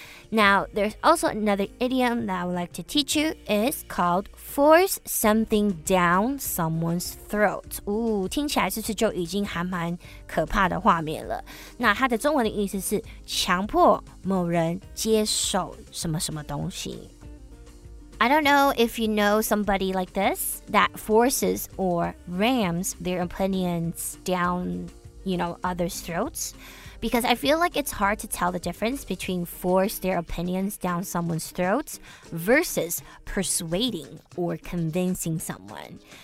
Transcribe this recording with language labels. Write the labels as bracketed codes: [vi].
[en] Now, there's also another idiom that I would like to teach you. It's called force something down someone's throat. [zh] 听起来是不是就已经还蛮可怕的画面了? 那它的中文的意思是强迫某人接受什么什么东西。 [en] I don't know if you know somebody like this that forces or rams their opinions down, you know, others' throats. Because I feel like it's hard to tell the difference between force their opinions down someone's throat versus persuading or convincing someone.